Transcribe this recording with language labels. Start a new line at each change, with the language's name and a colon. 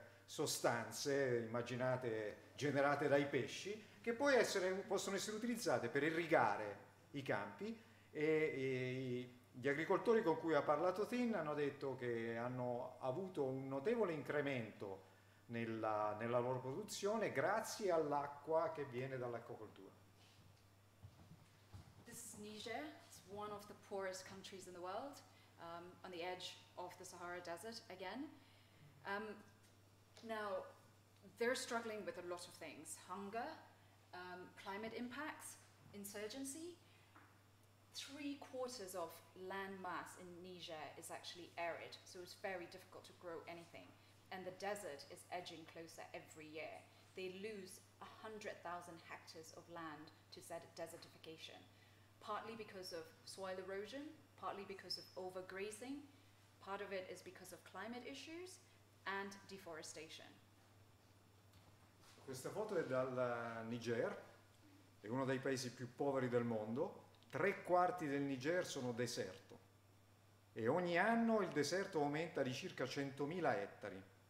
Italian: sostanze, immaginate, generate dai pesci, che poi possono essere utilizzate per irrigare i campi, e gli agricoltori con cui ha parlato Tin hanno detto che hanno avuto un notevole incremento nella loro produzione grazie all'acqua che viene dall'acquacoltura.
English: This is Niger, it's one of the poorest countries in the world, on the edge of the Sahara Desert again. Now, they're struggling with a lot of things. Hunger, climate impacts, insurgency. 3/4 of land mass in Niger is actually arid, so it's very difficult to grow anything. And the desert is edging closer every year. They lose 100,000 hectares of land to desertification, partly because of soil erosion, partly because of overgrazing, part of it is because of climate issues, and deforestation.
Italian: Questa foto è dal Niger, è uno dei paesi più poveri del mondo. 3/4 del Niger sono deserto. e ogni anno il deserto aumenta di circa 100.000 ettari.